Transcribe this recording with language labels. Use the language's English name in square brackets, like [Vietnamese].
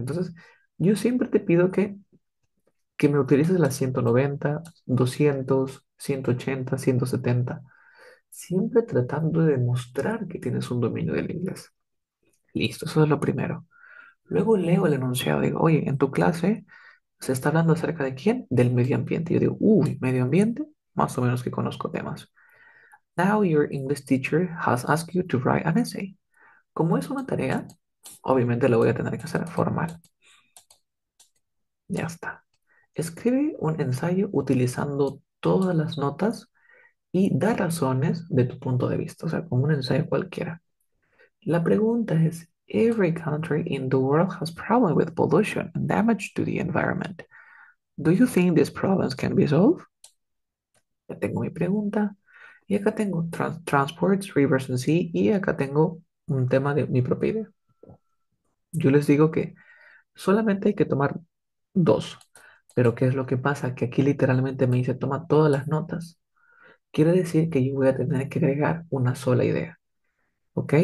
[Spanish] Entonces, yo siempre te pido que me utilices las 190, 200, 180, 170. Siempre tratando de demostrar que tienes un dominio del inglés. Listo, eso es lo primero. Luego leo el enunciado, digo, oye, en tu clase se está hablando acerca de quién, del medio ambiente. Yo digo, uy, medio ambiente, más o menos que conozco temas. [English] Now your English teacher has asked you to write an essay. [Spanish] Como es una tarea, obviamente la voy a tener que hacer formal. Ya está. Escribe un ensayo utilizando todas las notas y da razones de tu punto de vista, o sea, como un ensayo cualquiera. La pregunta es, [English] every country in the world has problems with pollution and damage to the environment. Do you think these problems can be solved? [Spanish] Ya tengo mi pregunta. Y acá tengo [English] transports, rivers and sea. [Spanish] Y acá tengo un tema de mi propia idea. Yo les digo que solamente hay que tomar dos. Pero ¿qué es lo que pasa? Que aquí literalmente me dice toma todas las notas. Quiere decir que yo voy a tener que agregar una sola idea. ¿Ok?